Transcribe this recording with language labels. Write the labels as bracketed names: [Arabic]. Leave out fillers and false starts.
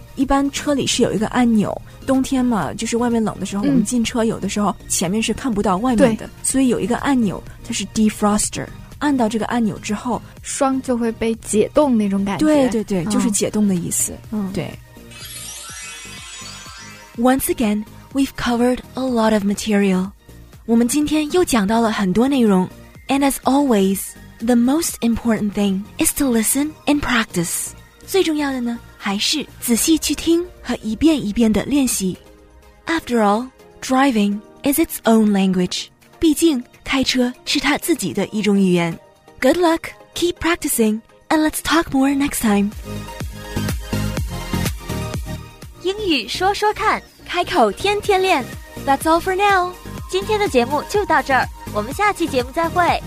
[Chinese] 一般车里是有一个按钮，冬天嘛，就是外面冷的时候、我们进车有的时候前面是看不到外面的，所以有一个按钮，它是 defroster，按到这个按钮之后，霜就会被解冻，那种感觉。对对对、就是解冻的意思。对。 [English] Once again, we've covered a lot of material. [Chinese] 我们今天又讲到了很多内容。 [English] And as always, the most important thing is to listen and practice. [Chinese] 最重要的呢，还是仔细去听和一遍一遍的练习。 [English] After all, driving is its own language. [Chinese] 毕竟开车是他自己的一种语言。 [English] Good luck, keep practicing, and let's talk more next time. [Chinese] 英语说说看，开口天天练。 [English] That's all for now. [Chinese] 今天的节目就到这儿，我们下期节目再会。